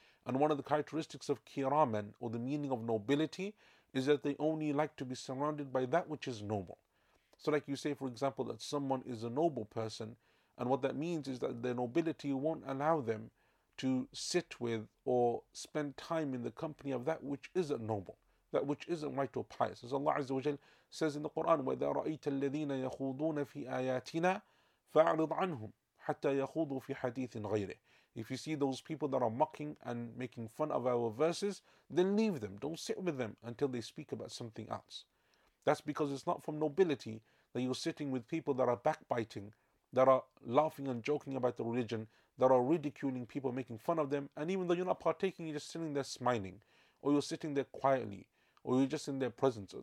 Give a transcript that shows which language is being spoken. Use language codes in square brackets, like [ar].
[en] And one of the characteristics of kiramen, or the meaning of nobility, is that they only like to be surrounded by that which is noble. So like you say, for example, that someone is a noble person, and what that means is that their nobility won't allow them to sit with or spend time in the company of that which isn't noble, that which isn't right or pious. As Allah Azza wa Jal says in the Quran, [ar] وَإِذَا رَأَيْتَ الَّذِينَ يَخُوضُونَ فِي آيَاتِنَا فَأَعْرِضْ عَنْهُمْ حَتَّى يَخُوضُوا فِي حَدِيثٍ غَيْرِهِ. [en] If you see those people that are mocking and making fun of our verses, then leave them, don't sit with them until they speak about something else. That's because it's not from nobility that you're sitting with people that are backbiting, that are laughing and joking about the religion, that are ridiculing people, making fun of them, and even though you're not partaking, you're just sitting there smiling, or you're sitting there quietly, or you're just in their presence.